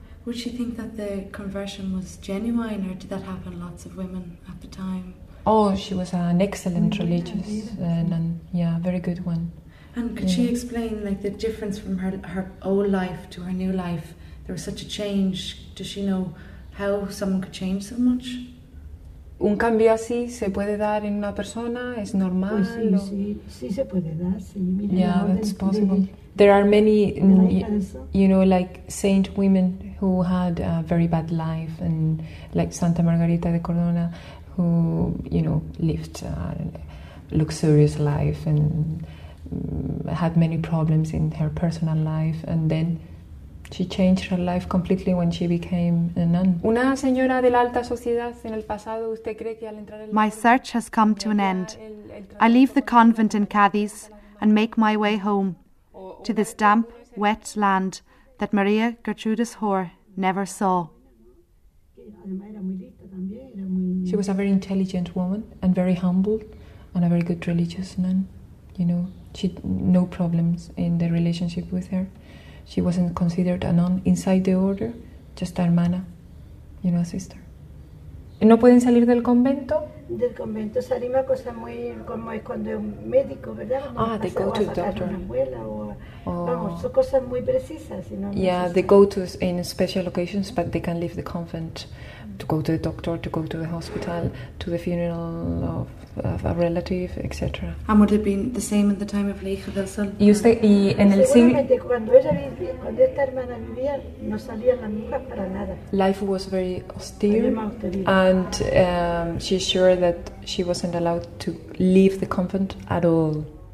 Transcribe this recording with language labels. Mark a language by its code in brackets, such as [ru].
[en] Would she think that the conversion was genuine, or did that happen lots of women at the time? Oh, she was an excellent religious nun. Yeah, very good one. And could she explain like the difference from her old life to her new life? There was such a change. Does she know how someone could change so much? [es] Un cambio así se puede dar en una persona, es normal. Sí, sí, sí, sí se puede dar, sí. [en] Mira, yeah, that's possible. There are many, you know, like saint women who had a very bad life, and like Santa Margarita de Cordona, who, you know, lived a luxurious life and had many problems in her personal life, and then she changed her life completely when she became a nun. [es] Una señora de la alta sociedad en el pasado, ¿usted cree que al entrar en la... [en] My search has come to an end. I leave the convent in Cádiz and make my way home to this damp, wet land that María Gertrudis Hoare never saw. She was a very intelligent woman and very humble and a very good religious nun. You know, she had no problems in the relationship with her. She wasn't considered a nun inside the order, just a hermana, you know, a sister. [es] ¿No pueden salir del convento? Del convento sale una cosa muy como es cuando es un médico, ¿verdad? [en] Ah, they go to the doctor. [es] Vamos, son cosas muy precisas, si no. [en] Yeah, they go to in special occasions, but they can leave the convent to go to the doctor, to go to the hospital, to the funeral of a relative, etc. And would it be the same in the time of La Hija del Sol? [es] Y usted, y en el siglo... Seguramente, cuando ella vivía, cuando esta hermana vivía, no salían las mujeres para nada. [en] Life was very austere, and she's sure that she wasn't allowed to leave the convent at all.